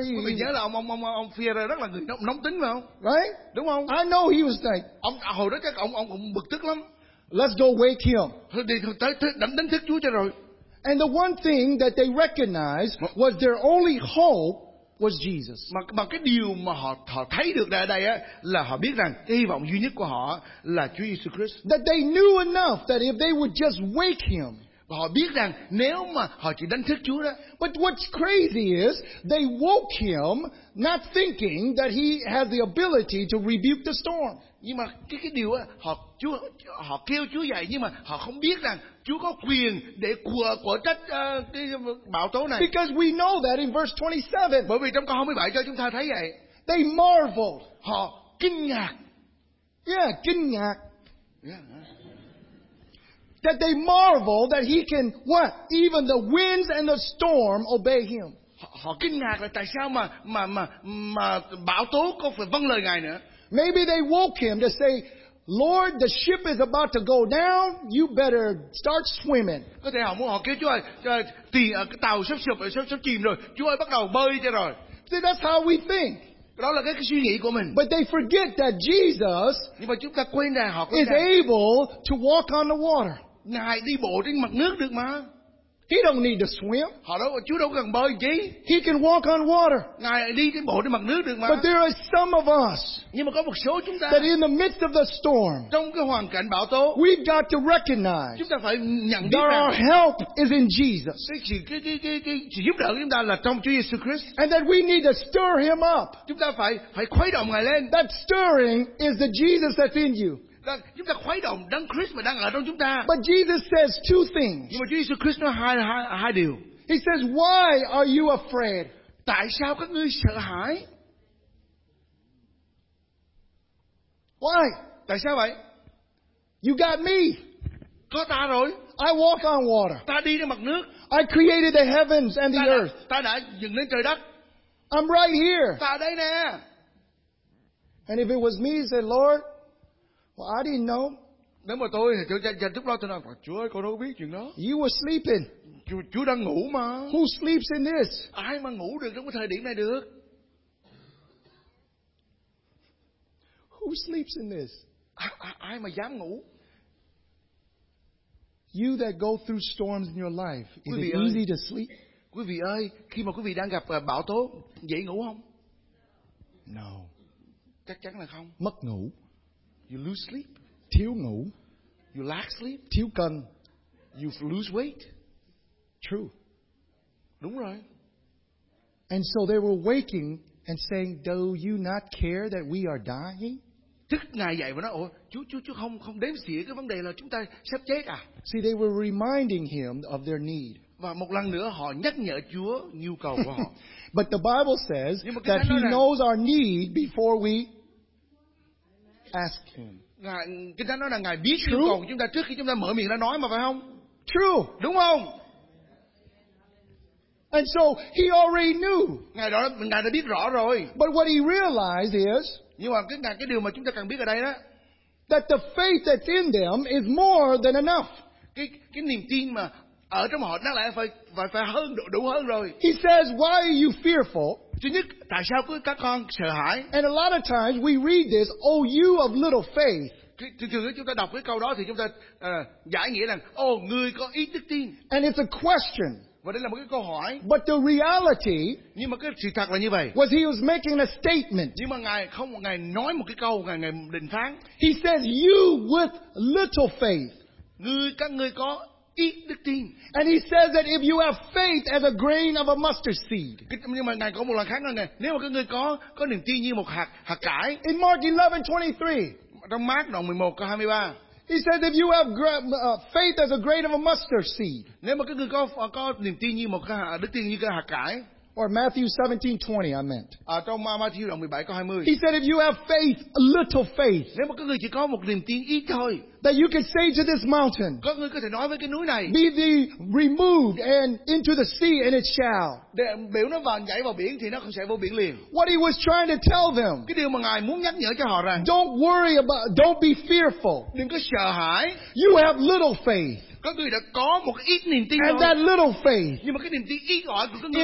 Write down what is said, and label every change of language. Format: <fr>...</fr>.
<vi>Ông Peter rất là người nóng tính, phải không?</vi> <en>Right?</en> <vi>Đúng không?</vi> <en>I know he was like,</en> <vi>hồi đó chắc ông cũng bực tức lắm.</vi> <en>Let's go wake him.</en> <vi>Đánh thức Chúa cho rồi.</vi> <en>And the one thing that they recognized was their only hope was Jesus.</en> <vi>Mà cái điều mà họ thấy được ở đây á, là họ biết rằng hy vọng duy nhất của họ là Chúa Jesus Christ.</vi> <en>That they knew enough that if they would just wake him.</en> <vi>Và họ biết rằng nếu mà họ chỉ đánh thức Chúa đó.</vi> <en>But what's crazy is they woke him not thinking that he had the ability to rebuke the storm.</en> <vi>Nhưng mà cái điều á, họ kêu Chúa dậy, nhưng mà họ không biết rằng Chúa có quyền để của trách cái bão tố này.</vi> <en>Because we know that in verse 27.</en> <vi>Bởi vì trong câu 27 cho chúng ta thấy vậy.</vi> <en>They marveled.</en> <vi>Họ kinh ngạc.</vi> <en>Yeah,</en> <vi>kinh ngạc.</vi> <en>Yeah. That they marvel that he can what? Even the winds and the storm obey him.</en> <vi>Họ kinh ngạc là tại sao mà bão tố có phải vâng lời Ngài nữa.</vi> <en>Maybe they woke him to say, Lord, the ship is about to go down. You better start swimming.</en> <vi>Có thể họ muốn họ kêu Chúa ơi, cái tàu sắp chìm rồi. Chúa ơi, bắt đầu bơi cho rồi.</vi> <en>See, that's how we think.</en> <vi>Đó là cái suy nghĩ của mình.</vi> <en>But they forget that Jesus is able to walk on the water.</en> <vi>Ngài đi bộ trên mặt nước được mà.</vi> <en>He don't need to swim.</en> <vi>Chúa đâu cần bơi chi.</vi> <en>He can walk on water.</en> <vi>Ngài đi trên bộ trên mặt nước được mà.</vi> <en>But there are some of us.</en> <vi>Nhưng mà có một số chúng ta.</vi> <en>That in the midst of the storm.</en> <vi>Trong cái hoàn cảnh bão tố.</vi> <en>We got to recognize.</en> <vi>Chúng ta phải nhận biết</vi> <en>that</en> <vi>rằng.</vi> <en>That our help is in Jesus.</en> <vi>Cái giúp đỡ chúng ta là trong Chúa Jesus Christ.</vi> <en>And that we need to stir Him up.</en> <vi>Chúng ta phải khuấy động Ngài lên.</vi> <en>That stirring is the Jesus that's in you.</en> <vi>Chúng ta khuấy động đấng Christ mà đang ở trong chúng ta.</vi> <en>But Jesus says two things.</en> <vi>Nhưng mà Chúa Jesus Christ nói hai điều.</vi> <en>He says, "Why are you afraid?"</en> <vi>Tại sao các ngươi sợ hãi?</vi> <en>Why?</en> <vi>Tại sao vậy?</vi> <en>You got me.</en> <vi>Có ta rồi.</vi> <en>I walk on water.</en> <vi>Ta đi trên mặt nước.</vi> <en>I created the heavens and the earth.</en> <vi>Ta đã dựng nên trời đất.</vi> <en>I'm right here.</en> <vi>Ta đây nè.</vi> <en>And if it was me, said Lord. Well, I didn't know.</en> <vi>Nếu mà tôi thì chưa lúc đó tôi nói, Chúa ơi, con đâu biết chuyện đó.</vi> <en>You were sleeping.</en> <vi>Chúa đang ngủ mà.</vi> <en>Who sleeps in this?</en> <vi>Ai mà ngủ được trong cái thời điểm này được?</vi> <en>Who sleeps in this?</en> <vi>Ai mà dám ngủ?</vi> <en>You that go through storms in your life, is it easy to sleep?</en> <vi>Quý vị ơi, khi mà quý vị đang gặp bão tố, dễ ngủ không?</vi> <en>No.</en> <vi>Chắc chắn là không. Mất ngủ.</vi> <en>You lose sleep.</en> <vi>Thiếu ngủ.</vi> <en>You lack sleep.</en> <vi>Thiếu cân.</vi> <en>You lose weight. True.</en> <vi>Đúng rồi.</vi> <en>And so they were waking and saying, "Do you not care that we are dying?"</en> <vi>Tức ngài dậy và nói, "Ủa, chú không đếm xỉa cái vấn đề là chúng ta sắp chết à?"</vi> <en>See, they were reminding him of their need.</en> <vi>Và một lần nữa họ nhắc nhở Chúa nhu cầu của họ.</vi> <en>But the Bible says that He knows our need before we ask Him.</en> <vi>Ngài đã nói là Ngài biết nhu cầu chúng ta trước khi chúng ta mở miệng ra nói mà, phải không?</vi> <en>True.</en> <vi>Đúng không?</vi> <en>And so He already knew.</en> <vi>Ngài đã biết rõ rồi.</vi> <en>But what He realized is.</en> <vi>Nhưng mà cái điều mà chúng ta cần biết ở đây đó.</vi> <en>That the faith that's in them is more than enough.</en> <vi>Cái niềm tin mà ở trong họ đáng lẽ phải phải phải hơn đủ hơn rồi.</vi> <en>He says, why are you fearful?</en> <vi>Thứ nhất, tại sao các con sợ hãi?</vi> <en>And a lot of times we read this, oh you of little faith.</en> <vi>Thường chúng ta đọc cái câu đó thì chúng ta giải nghĩa rằng, oh người có ít đức tin.</vi> <en>And it's a question.</en> <vi>Và đây là một cái câu hỏi.</vi> <en>But the reality.</en> <vi>Nhưng mà cái sự thật là như vậy.</vi> <en>Was he was making a statement.</en> <vi>Nhưng mà ngài không ngài nói một cái câu ngài định phán.</vi> <en>He says, you with little faith.</en> <vi>Người các người có ít đức tin.</vi> <en>And he says that if you have faith as a grain of a mustard seed.</en> <vi>Nhưng mà ngài có một lần khác nữa ngài. Nếu mà các người có niềm tin như một hạt cải.</vi> <en>In Mark 11:23.</en> <vi>Trong Mark đoạn 11 câu 23.</vi> <en>He says if you have faith as a grain of a mustard seed.</en> <vi>Nếu mà các người có niềm tin như một đức tin như cái hạt cải.</vi> <en>Or Matthew 17:20, I meant.</en> <vi>Trong Matthew 17:20.</vi> <en>He said, if you have faith, a little faith.</en> <vi>Nếu mà các người chỉ có một niềm tin ít thôi.</vi> <en>That you can say to this mountain.</en> <vi>Các người có thể nói với cái núi này.</vi> <en>Be thee removed and into the sea and it shall.</en> <vi>Để biểu nó vào nhảy vào biển thì nó sẽ vô biển liền.</vi> <en>What he was trying to tell them.</en> <vi>Cái điều mà ngài muốn nhắc nhở cho họ rằng.</vi> <en>Don't worry about, don't be fearful.</en> <vi>Đừng có sợ hãi.</vi> <en>You have little faith.</en> <vi>Các người đã có một ít niềm tin.</vi> <en>And that little faith.</en> <vi>Nhưng mà cái niềm tin ít ỏi của các người</vi>